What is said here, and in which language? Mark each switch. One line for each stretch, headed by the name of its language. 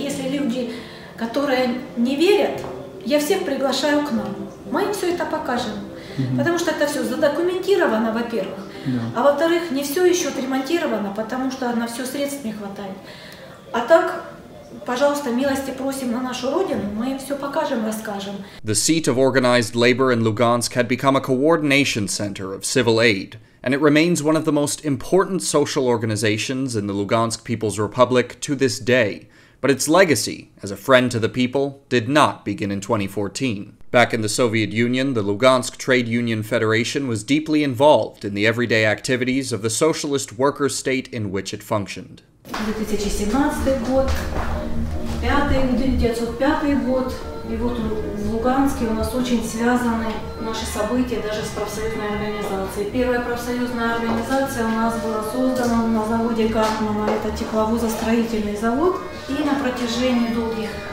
Russian: Если люди, которые не верят, я всех приглашаю к нам. Мы им все это покажем. Потому что это все задокументировано, во-первых. А во-вторых, не все еще отремонтировано, потому что на все средств не хватает. А так... Пожалуйста, милости просим на нашу родину, мы им все покажем, расскажем.
English: The seat of organized labor in Lugansk had become a coordination center of civil aid, and it remains one of the most important social organizations in the Lugansk People's Republic to this day. But its legacy, as a friend to the people, did not begin in 2014. Back in the Soviet Union, the Lugansk Trade Union Federation was deeply involved in the everyday activities of the socialist worker state in which it functioned.
Russian: 2017 год, 1905 год, и вот в Луганске у нас очень связаны наши события даже с профсоюзной организацией. Первая профсоюзная организация у нас была создана на заводе Гартмана, это тепловозостроительный завод. И на протяжении долгих